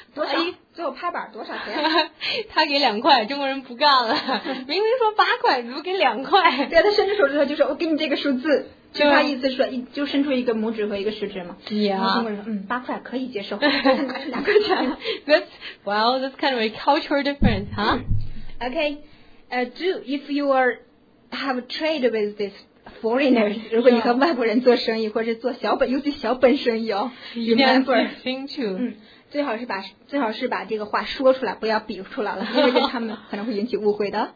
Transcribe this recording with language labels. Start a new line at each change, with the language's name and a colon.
Chinese: 多少？最后拍板多少钱？他给两块，中国人不干了。明明说八块，怎么给两块？对、啊，他伸出手指头就说：“我给你这个数字。” 就他意思说，就伸出一个拇指和一个食指嘛。对呀。中国人说：“嗯，八块可以接受。” 拿出两块钱。
English: That's kind of a cultural difference, huh?、嗯、okay, if you are have trade with this.
Chinese: Foreigners， 如果你和外国人做生意、 yeah. 或者做小本，尤其小本生意哦
English: ，remember，
Chinese: 嗯，最好是把这个话说出来，不要比出来了，因为他们可能会引起误会的。